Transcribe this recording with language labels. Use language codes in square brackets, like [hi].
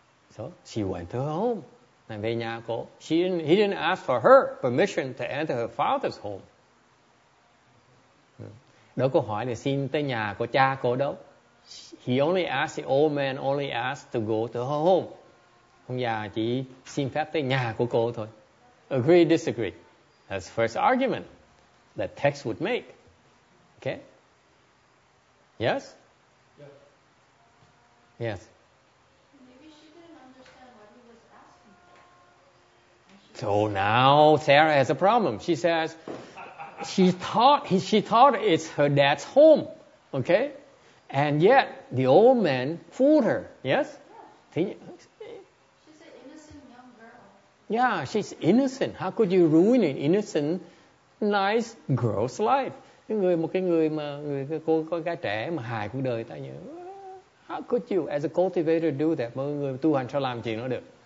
[en] So she went to her home. [vi] Là về nhà cô. [en] He didn't ask for her permission to enter her father's home. [vi] Đâu có hỏi để xin tới nhà của cha cô đâu. [en] He only asked the old man only asked to go to her home. [vi] Ông già chỉ xin phép tới nhà của cô thôi. [en] Agree, disagree. That's the first argument that text would make. Okay? Yes? Yeah. Yes. Maybe she didn't understand what he was asking for. So now Sarah has a problem. She says she thought it's her dad's home. Okay? And yet the old man fooled her. Yes? Yeah. She's an innocent young girl. Yeah, she's innocent. How could you ruin an innocent, nice girl's life? [vi] Một cái người mà cô gái trẻ mà hại cuộc đời ta như [en] how could you as a cultivator do that? [vi] Mọi người tu hành sao làm chuyện đó được?